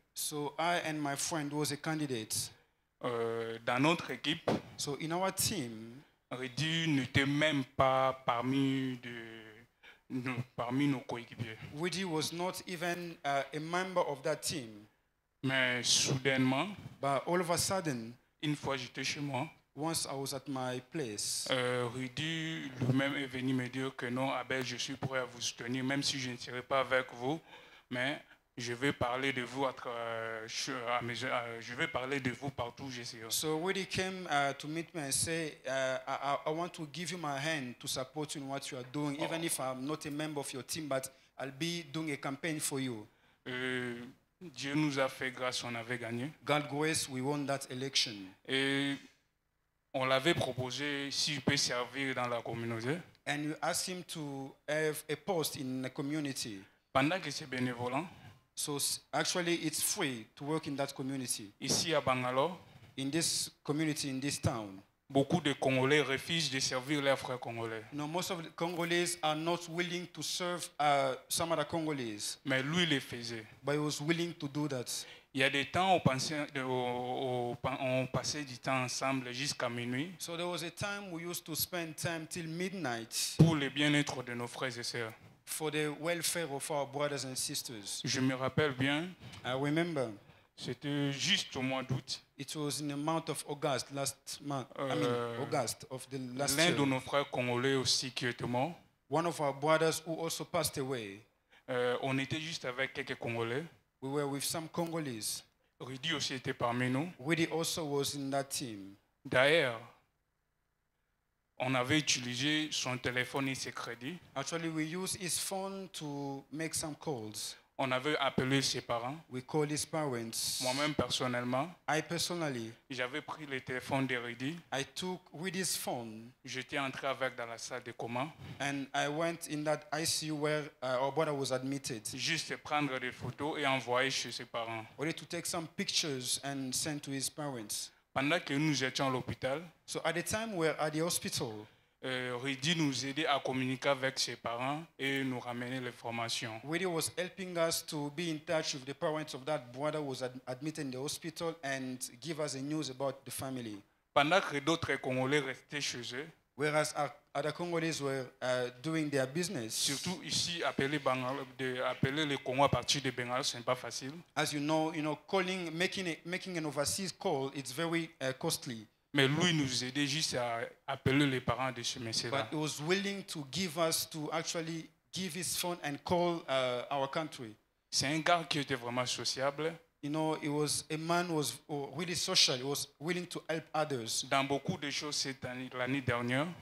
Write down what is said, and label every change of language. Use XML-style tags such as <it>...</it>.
<en>So I and my friend was a candidate.</en> <fr>Dans notre équipe.</fr> <en>So in our team,</en> <fr>Rudy n'était même pas parmi de parmi nos coéquipiers.</fr> <en>Rudy was not even a member of that team.</en> <fr>Mais soudainement,</fr> <en>but all of a sudden,</en> <fr>une fois j'étais chez moi,</fr> <en>once I was at my place,</en> <fr>Rudy lui-même est venu me dire que non, Abel, je suis prêt à vous soutenir, même si je ne serai pas avec vous, mais je vais parler de vous partout où j'essaie.</fr> <en>So Rudy came to meet me and said, I want to give you my hand to support you in what you are doing, even if I'm not a member of your team, but I'll be doing a campaign for you.</en> <fr>Dieu nous a fait grâce, on avait gagné.</fr> <en>God grace, we won that election.</en> <fr>Et on l'avait proposé s'il peut servir dans la communauté.</fr> <en>And you asked him to have a post in the community.</en> <fr>Pendant que c'est bénévolant.</fr> <en>So actually, it's free to work in that community.</en> <fr>Ici à Bangalore,</fr> <en>in this community, in this town,</en> <fr>beaucoup de Congolais refusent de servir leurs frères congolais.</fr> <en>No, most of the Congolese are not willing to serve some other Congolese.</en> <fr>Mais lui le faisait.</fr> <en>But he was willing to do that.</en> <fr>Il y a des temps où on passait du temps ensemble jusqu'à minuit.</fr> <en>So there was a time we used to spend time till midnight.</en> <fr>Pour le bien-être de nos frères et sœurs.</fr> <en>For the welfare of our brothers and sisters.</en> <fr>Je me rappelle bien.</fr> <en>I remember.</en> <fr>C'était juste au mois d'août.</fr> <en>It was in the month of August last month. August of the last</en> <fr>l'un</fr> <en>year.</en> <fr>L'un de nos frères congolais aussi qui était mort.</fr> <en>One of our brothers who also passed away.</en> <fr>On était juste avec quelques Congolais.</fr> <en>We were with some Congolese.</en> <fr>Rudy aussi était parmi nous.</fr> <en>Rudy also was in that team.</en> <fr>D'ailleurs, on avait utilisé son téléphone et ses crédits.</fr> <en>Actually, we used his phone to make some calls.</en> <fr>On avait appelé ses parents.</fr> <en>We called his parents.</en> <fr>Moi-même personnellement.</fr> <en>I personally.</en> <fr>J'avais pris le téléphone de Rudy.</fr> <en>I took Rudy's phone.</en> <fr>J'étais entré avec dans la salle de coma.</fr> <en>And I went in that ICU where our brother was admitted.</en> <fr>Juste prendre des photos et envoyer chez ses parents.</fr> <en>Only to take some pictures and send to his parents.</en> <fr>Pendant que nous étions à l'hôpital,</fr> <en>so at the time we were at the hospital,</en> <fr>Rudy nous aidait à communiquer avec ses parents et nous ramener l'information.</fr> <en>Rudy was helping us to be in touch with the parents of that brother who was admitted in the hospital and give us the news about the family.</en> <fr>Pendant que d'autres Congolais restaient chez eux,</fr> <en>whereas other Congolese were doing their business.</en> <fr>Surtout ici, appeler les Congo à partir de Bengal, c'est pas facile.</fr> <en>As you know, calling, making an overseas call, it's very costly.</en> <fr>Mais lui nous aidait juste à appeler les parents de ce monsieur-là.</fr> <en>But he was willing to give us to actually give his phone and call our country.</en> <fr>C'est un gars qui était vraiment sociable.</fr> <en>You know, he was a man who was really social. He was willing to help others.</en> <fr>Dans beaucoup de choses cette année, l'année dernière.</fr>